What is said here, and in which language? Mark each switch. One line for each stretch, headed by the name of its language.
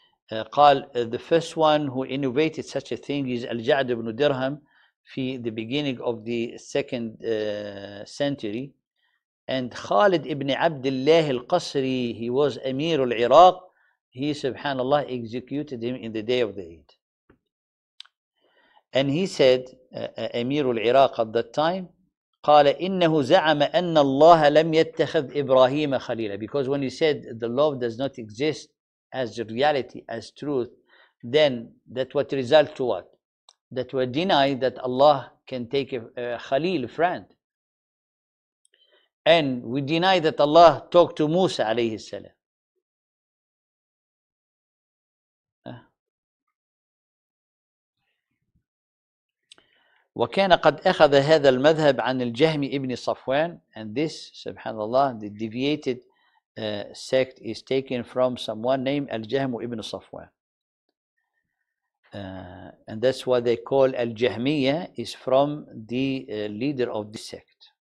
English: قال, the first one who innovated such a thing is Al-Ja'd ibn Dirham في the beginning of the second century. And Khalid ibn Abdullah al-Qasri, he was Amir al-Iraq, he subhanAllah executed him in the day of the Eid. And he said, Amir al-Iraq at that time,
Arabic: قال إنه زعم أن الله لم يتخذ إبراهيم خليلا.
English: Because when he said the love does not exist as reality, as truth, then that what result to what? That we deny that Allah can take a Khalil, a friend. And we deny that Allah talked to Musa عليه السلام.
Arabic: وكان قد أخذ هذا المذهب عن الجهمي ابن صفوان.
English: And this, subhanAllah, the deviated sect is taken from someone named Al-Jahm ibn Safwan. And that's what they call Al-Jahmiyyah, is from the leader of this sect.